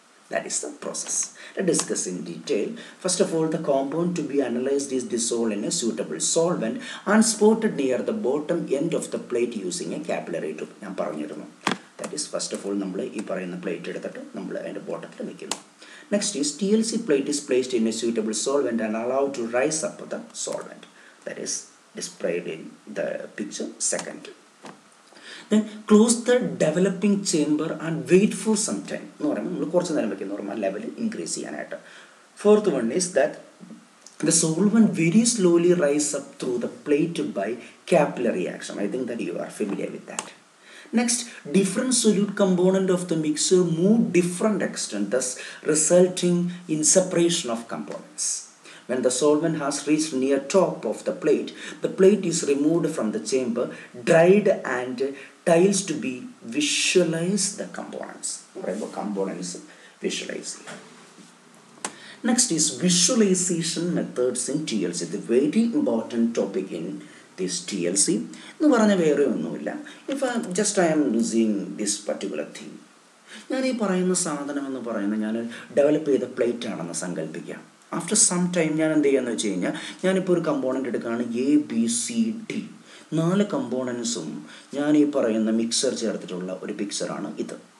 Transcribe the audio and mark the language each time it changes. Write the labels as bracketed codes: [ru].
[en] That is the process discuss in detail. First of all, the compound to be analysed is dissolve in a suitable solvent and spotted near the bottom end of the plate using a capillary tube. [ml] ഞാൻ പറഞ്ഞിരുന്നു, [en] that is first of all [ml] നമ്മൾ ഈ പറയുന്ന plate എടുത്തിട്ട് നമ്മൾ അതിൻ്റെ ബോട്ടത്തിൽ വെക്കുന്നു. [en] Next is TLC plate is placed in a suitable solvent and allowed to rise up the solvent. That is displayed in the picture second. Then close the developing chamber and wait for some time. No, I mean, we have to increase the level. Fourth one is that the solvent very slowly rises up through the plate by capillary action. I think that you are familiar with that. Next, different solute component of the mixture move different extent, thus resulting in separation of components. When the solvent has reached near top of the plate is removed from the chamber, dried and tiles to be visualize the components. Whatever components visualize. Next is visualization methods in TLC. The very important topic in this TLC. No, [ml] varane vere onnumilla. [en] If just I am using this particular thing. [ml] ഞാൻ ഈ പറയുന്ന സാധനം എന്ന് പറയുന്നത് ഞാൻ develop ചെയ്ത plate ആണെന്ന് സങ്കല്പിക്കാം. [en] after some time [ml] ഞാൻ എന്ത് ചെയ്യാന്ന് വെച്ച് കഴിഞ്ഞാൽ ഞാനിപ്പോൾ ഒരു കമ്പോണൻ്റ് എടുക്കുകയാണ് എ ബി സി ഡി. നാല് കമ്പോണൻസും ഞാൻ ഈ പറയുന്ന മിക്സർ ചേർത്തിട്ടുള്ള ഒരു പിക്ചറാണ് ഇത്.